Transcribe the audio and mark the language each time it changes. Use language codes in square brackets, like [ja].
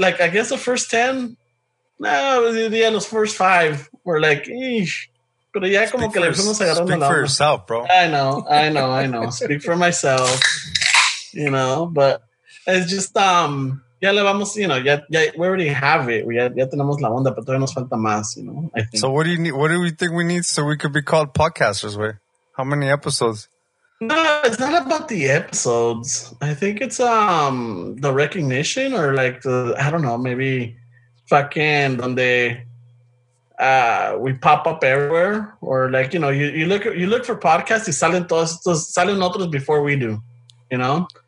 [en] Like, I guess the first 10, those first 5 were like, eesh. But yeah, [es] como que le fuimos agarrando la. [en] Speak for yourself, bro. I know. Speak for myself. You know, but it's just, [es] ya le vamos, [en] you know, ya we already have it. [es] Ya tenemos la onda, pero todavía nos falta más, [en] you know. I think. So, what do you need? What do we think we need so we could be called podcasters, way? How many episodes? No, it's not about the episodes. I think it's the recognition or like the, I don't know, maybe fucking [es] donde [en] we pop up everywhere or like, you know, you look for podcasts [es] y salen todos, salen otros [en] before we do, you know?